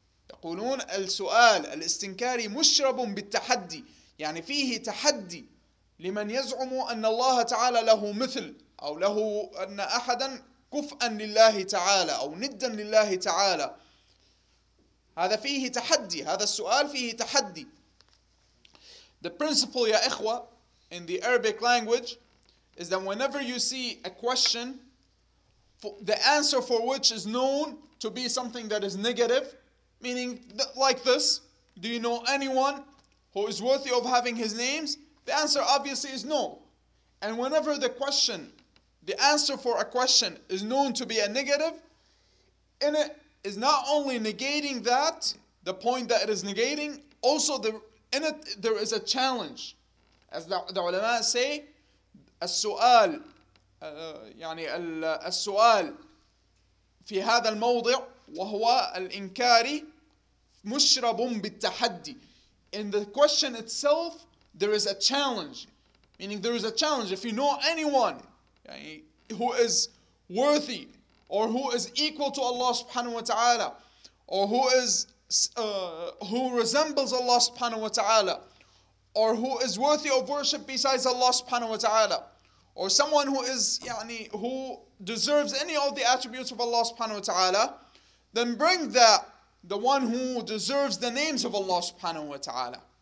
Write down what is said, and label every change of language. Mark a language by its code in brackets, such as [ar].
[ar] يقولون السؤال الاستنكاري مشرب بالتحدي, يعني فيه تحدي لمن يزعم أن الله تعالى له مثل, أو له أن أحدا كفءا لله تعالى أو ندا لله تعالى. هذا فيه تحدي, هذا السؤال فيه تحدي. [en] The principle [ar] يا إخوة [en] in the Arabic language is that whenever you see a question, the answer for which is known to be something that is negative, meaning like this, do you know anyone who is worthy of having his names? The answer obviously is no. And whenever the answer for a question is known to be a negative, in it is not only negating that, the point that it is negating, also there is a challenge. As the ulama say, [ar] السؤال يعني السؤال في هذا الموضع وهو الإنكار مشرب بالتحدي. [en] In the question itself, there is a challenge. Meaning there is a challenge. If you know anyone who is worthy or who is equal to Allah subhanahu wa ta'ala or who is who resembles Allah subhanahu wa ta'ala or who is worthy of worship besides Allah subhanahu wa ta'ala or someone who is who deserves any of the attributes of Allah subhanahu wa ta'ala, then bring that, the one who deserves the names of Allah subhanahu wa ta'ala.